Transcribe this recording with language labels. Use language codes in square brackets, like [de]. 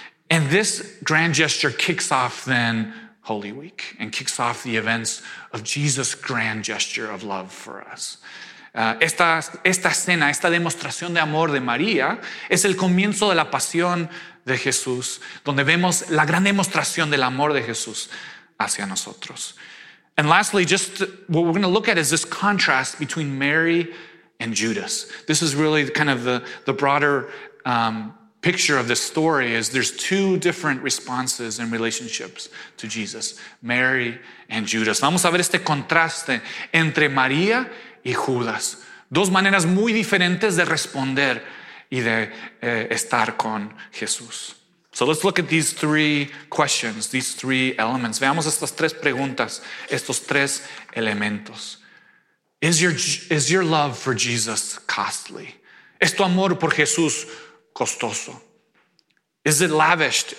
[en] And this grand gesture kicks off then Holy Week and kicks off the events of Jesus' grand gesture of love for us. [es] Esta cena, esta demostración de amor de María es el comienzo de la pasión de Jesús, donde vemos la gran demostración del amor de Jesús hacia nosotros. [en] And lastly, just what we're going to look at is this contrast between Mary and Judas. This is really kind of the broader picture of this story is there's two different responses and relationships to Jesus, Mary and Judas. [es] Vamos a ver este contraste entre María y Judas. Dos maneras muy diferentes de responder y de estar con Jesús. [en] So let's look at these three questions, these three elements. [es] Veamos estas tres preguntas, estos tres elementos. [en] Is your love for Jesus costly? [es] ¿Es tu amor por Jesús costoso? [en] Is it lavished?